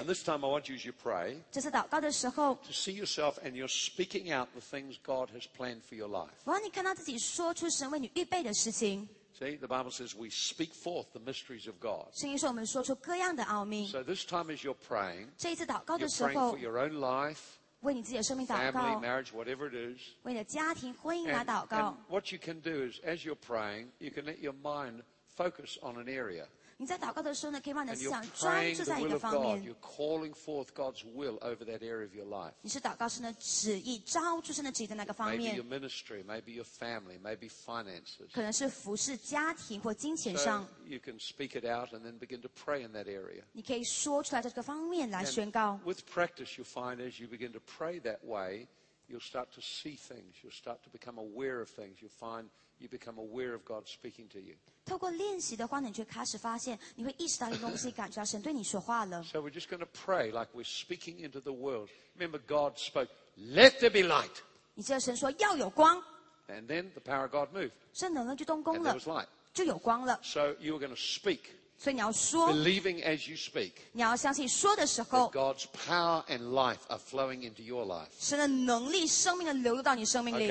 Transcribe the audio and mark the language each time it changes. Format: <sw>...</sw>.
<en>And this time I want you as you pray,</en> <zh>这次祷告的时候</zh> <en>to see yourself and you're speaking out the things God has planned for your life.</en> <zh>我让你看到自己说出神为你预备的事情</zh> <en>See, the Bible says we speak forth the mysteries of God.</en> <zh>圣经说我们说出各样的奥秘</zh> <en>So this time as you're praying,</en> <zh>这一次祷告的时候</zh> <en>you're praying for your own life,</en> <zh>为你自己的生命祷告</zh> <en>Family, marriage, whatever it is.</en> <zh>为你的家庭婚姻来祷告</zh> <en>and what you can do is as you're praying you can let your mind focus on an area</en> <zh>你在祷告的时候呢可以把你的思想专注在一个方面</zh> <en>God, you're calling forth God's will over that area of your life</en> <zh>你是祷告神的旨意招出神的旨意的那个方面</zh> <en>maybe your ministry maybe your family maybe finances</en> <zh>可能是服侍家庭或金钱上</zh> <en>so you can speak it out and then begin to pray in that area</en> <zh>你可以说出来在这个方面来宣告</zh> <en>and with practice you'll find as you begin to pray that way you'll start to see things you'll start to become aware of things you'll findYou become aware of God speaking to you.</en> <zh>透过练习的话呢，你就开始发现，你会意识到一个东西，感觉到神对你说话了。</zh> <en>So we're just going to pray like we're speaking into the world. Remember, God spoke, "Let there be light."</en> <zh>你记得神说要有光。</zh> <en>And then the power of God moved.</en> <zh>圣能呢就动工了。</zh> <en>And there was light.</en> <zh>就有光了。</zh> <en>So you were going to speak.</en> <zh>所以你要说。</zh> <en>Believing as you speak.</en> <zh>你要相信说的时候。</zh> <en>That God's power and life are flowing into your life.</en> <zh>神的能力、生命的流入到你生命里。</zh>